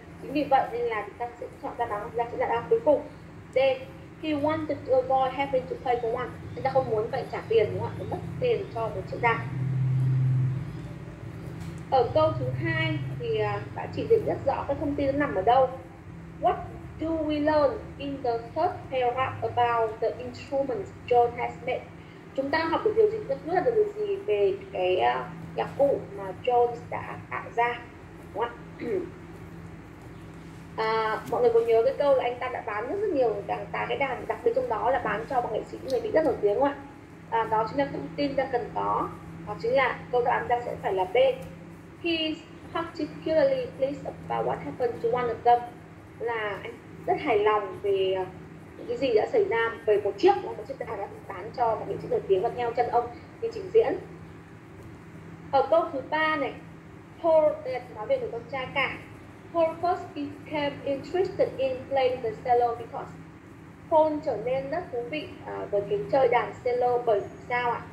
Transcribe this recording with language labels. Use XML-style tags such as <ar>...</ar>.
<vi>Chính vì vậy nên là chúng ta sẽ chọn ra đáp án cuối cùng D.</vi> <en>He wanted to avoid having to pay for one.</en> <vi>Anh ta không muốn phải trả tiền đúng không ạ? Mất tiền cho một chiếc đàn. Ở câu thứ hai thì đã chỉ định rất rõ cái thông tin nó nằm ở đâu.</vi> <en>What do we learn in the third paragraph about the instruments John has made?</en> <vi>Chúng ta học được điều gì, rất là được điều gì về cái nhạc cụ mà John đã tạo ra đúng không ạ? Mọi người có nhớ cái câu là anh ta đã bán rất nhiều đàn, tài cái đàn, đặc biệt trong đó là bán cho một nghệ sĩ người Mỹ rất nổi tiếng không ạ? Đó chính là thông tin ta cần có, đó chính là câu đoạn ta sẽ phải là B.</vi> <en>He's particularly pleased about what happened to one of them.</en> <vi>Là anh rất hài lòng về cái gì đã xảy ra về một chiếc đàn đã bán cho một nghệ sĩ nổi tiếng và theo chân ông đi trình diễn. Ở câu thứ ba này, Paul, đây là nói về người con trai cả.</vi> <en>Paul first became interested in playing the cello because</en> <vi>Paul trở nên rất thú vị với cái chơi đàn cello bởi sao ạ?</vi>